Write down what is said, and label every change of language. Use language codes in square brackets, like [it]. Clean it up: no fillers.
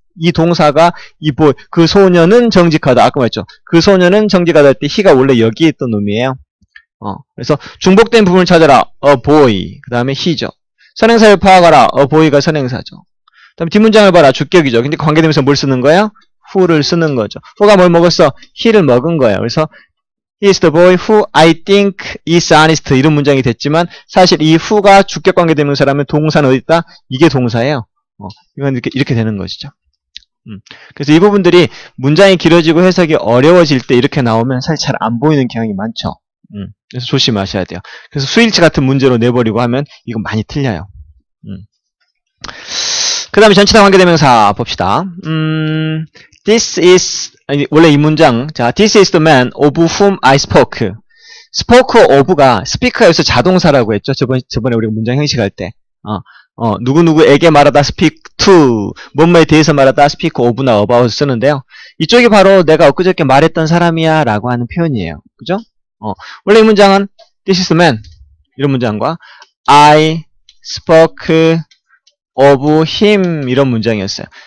[ko] 이 동사가 이보그 소녀는 정직하다. 아까 말했죠. 그 소녀는 정직하다 할때 he가 원래 여기에 있던 놈이에요. 그래서 중복된 부분을 찾아라. a boy. 그 다음에 he죠. 선행사를 파악하라. a boy가 선행사죠. 그 다음에 뒷문장을 봐라. 주격이죠. 근데 관계대명사 뭘 쓰는 거야? who를 쓰는 거죠. who가 뭘 먹었어? he를 먹은 거야. 그래서 [en] he's the boy who I think is honest. [ko] 이런 문장이 됐지만 사실 이 who가 주격 관계대명사라면 동사는 어디 있다? 이게 동사예요. 이건 이렇게 되는 것이죠. 그래서 이 부분들이 문장이 길어지고 해석이 어려워질 때 이렇게 나오면 사실 잘안 보이는 경향이 많죠. 그래서 조심하셔야 돼요. 그래서 수일치 같은 문제로 내버리고 하면 이거 많이 틀려요. 그 다음에 전치사 관계대명사 봅시다. [en] This is, [ko] 아니, 원래 이 문장. 자, [en] This is the man of whom I spoke. [ko] spoke of가 speak가 여기서 자동사라고 했죠. 저번에 우리가 문장 형식할 때. 누구누구에게 말하다 speak to, 뭔말에 대해서 말하다 speak of나 about 쓰는데요. 이쪽이 바로 내가 엊그저께 말했던 사람이야 라고 하는 표현이에요. 그죠? 원래 이 문장은 [en] This is the man. [ko] 이런 문장과 [en] I spoke of him. [ko] 이런 문장이었어요.